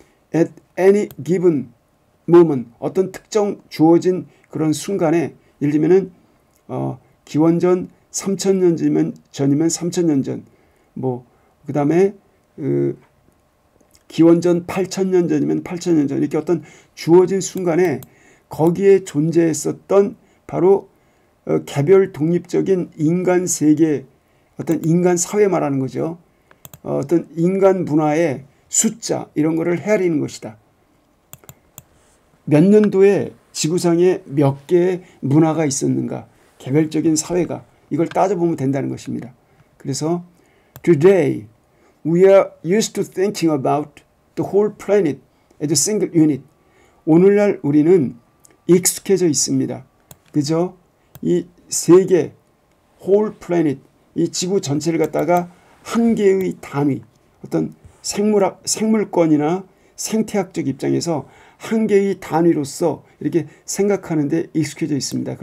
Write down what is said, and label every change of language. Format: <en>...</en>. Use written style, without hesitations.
<en>At any given moment,</en> <ko>어떤 특정 주어진 그런 순간에, 예를 들면은 기원전 3000년 전이면 3000년 전, 뭐 그 다음에 기원전 8000년 전이면 8000년 전, 이렇게 어떤 주어진 순간에 거기에 존재했었던 바로 개별 독립적인 인간 세계, 어떤 인간 사회 말하는 거죠. 어떤 인간 문화의 숫자 이런 거를 헤아리는 것이다. 몇 년도에 지구상에 몇 개의 문화가 있었는가, 개별적인 사회가, 이걸 따져보면 된다는 것입니다. 그래서</ko> <en>Today we are used to thinking about the whole planet as a single unit.</en> <ko>오늘날 우리는 익숙해져 있습니다. 그죠? 이 세계,</ko> <en>whole planet,</en> <ko>이 지구 전체를 갖다가 한 개의 단위, 어떤 생물학, 생물권이나 생태학적 입장에서 한 개의 단위로서 이렇게 생각하는데 익숙해져 있습니다.</ko>